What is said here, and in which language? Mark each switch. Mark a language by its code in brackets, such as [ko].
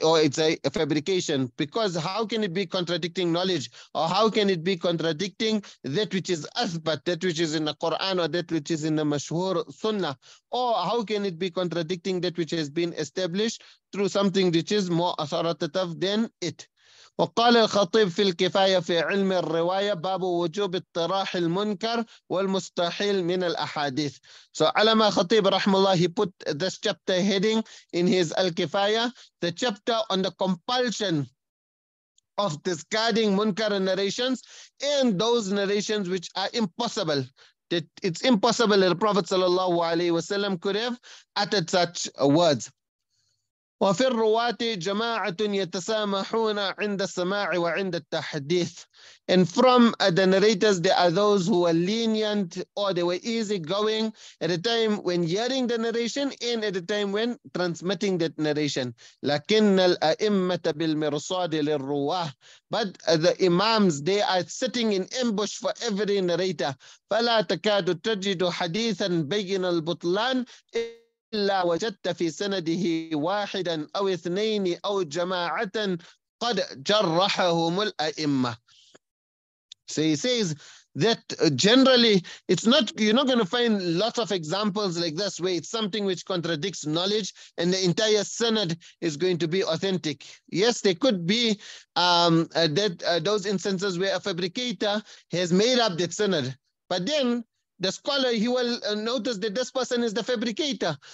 [en] Or it's a fabrication. Because how can it be contradicting knowledge? Or how can it be contradicting that which is athbat, that which is in the Quran, or that which is in the mashhur sunnah? Or how can it be contradicting that which has been established through something which is more authoritative than it? [ar] وقال الخطيب في الكفاية في علم الرواية باب وجوب اطراح المنكر والمستحيل من الأحاديث. [en] So [ar] علماء خطيب رحمه الله, [en] he put this chapter heading in his الكفاية, the chapter on the compulsion of discarding munkar narrations and those narrations which are impossible. That it's impossible that the Prophet صلى الله عليه وسلم could have uttered such words. [ar] وفي الرواة جماعة يتسامحون عند السماع وعند التحديث. [en] And from the narrators, there are those who were lenient or they were easygoing at the time when hearing the narration and at the time when transmitting that narration. [ar] لكن الأئمة بالمرصاد للرواة. [en] But the imams, they are sitting in ambush for every narrator. [ar] فلا تكاد تجد حديثا بين البطلان إلا وجدت في سنده واحدا أو اثنين أو جماعة قد جرحهم الأئمة. [en] So he says that generally it's not, you're not going to find lots of examples like this where it's something which contradicts knowledge and the entire sanad is going to be authentic. Yes, there could be those instances where a fabricator has made up that sanad, but then the scholar, he will notice that this person is the fabricator.